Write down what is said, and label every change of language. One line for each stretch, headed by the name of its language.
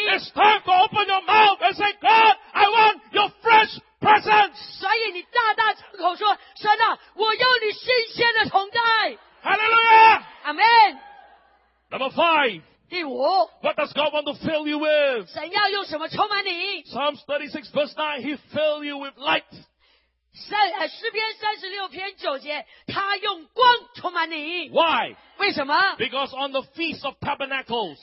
English: It's time to open your mouth and say God I want your fresh presence
Chinese: 所以你大大张口说神啊我要你新鲜的同在
English: Hallelujah Amen Number 5
Chinese: 第五
English: What does God want to fill you with?
Chinese: 神要用什么充满你?
English: Psalms 36 verse 9 He fill you with light
Chinese: 诗篇36篇9节他用光充满你
English: Why?
Chinese: 为什么?
English: Because on the Feast of Tabernacles